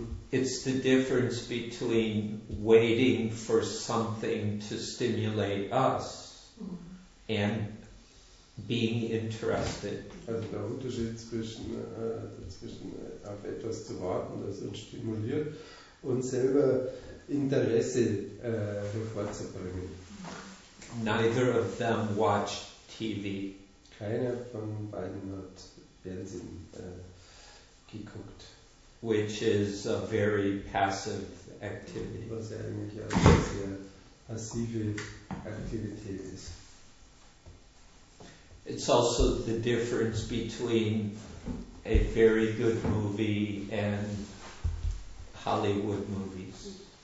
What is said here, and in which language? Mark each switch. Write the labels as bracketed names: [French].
[English] It's the difference between waiting for something to stimulate us and being interested. [German] Also der Unterschied zwischen auf etwas zu warten, das uns stimuliert, und selber Interesse hervorzubringen. [English] Neither of them watch TV. [German] Keiner von beiden hat Fernsehen geguckt. [English] Which is a very passive activity. [German] Was ja eigentlich auch eine sehr passive Aktivität ist. [English] It's also the difference between a very good movie and Hollywood movies.